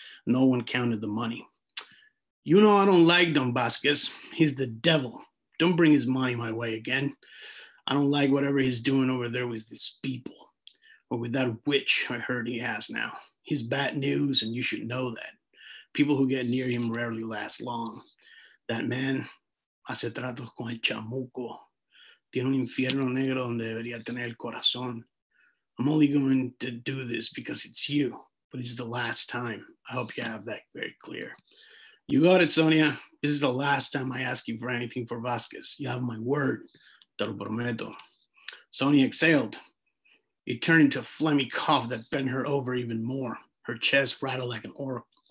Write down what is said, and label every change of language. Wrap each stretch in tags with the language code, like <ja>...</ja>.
<en>No one counted the money. "You know I don't like Don Vasquez. He's the devil. Don't bring his money my way again. I don't like whatever he's doing over there with these people. Or with that witch I heard he has now. He's bad news, and you should know that. People who get near him rarely last long. That man,</en> <es>hace tratos con el chamuco. Tiene un infierno negro donde debería tener el corazón.</es> <en>I'm only going to do this because it's you, but this is the last time. I hope you have that very clear. You got it, Sonia. This is the last time I ask you for anything for Vasquez. You have my word,</en> <es>te lo prometo."</es> <en>Sonia exhaled. It turned into a phlegmy cough that bent her over even more. Her chest rattled like an oracle.</en>